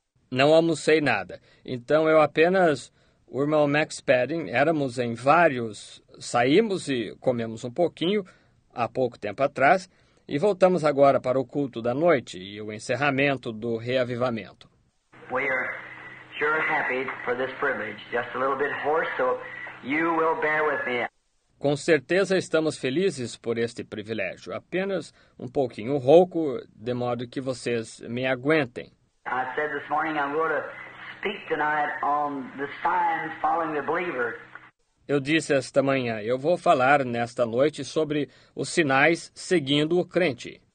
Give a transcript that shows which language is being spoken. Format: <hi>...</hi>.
<pt>Não almocei nada, então eu apenas, o irmão Max Padding, éramos em vários, saímos e comemos um pouquinho há pouco tempo atrás. E voltamos agora para o culto da noite e o encerramento do reavivamento.</pt> <en>We are sure happy for this privilege. Just a little bit hoarse, so you will bear with me.</en> <pt>Com certeza estamos felizes por este privilégio. Apenas um pouquinho rouco, de modo que vocês me aguentem.</pt> <en>I said this morning I'm going to speak tonight on the signs following the believer.</en> <pt>Eu disse esta manhã, eu vou falar nesta noite sobre os sinais seguindo o crente.</pt>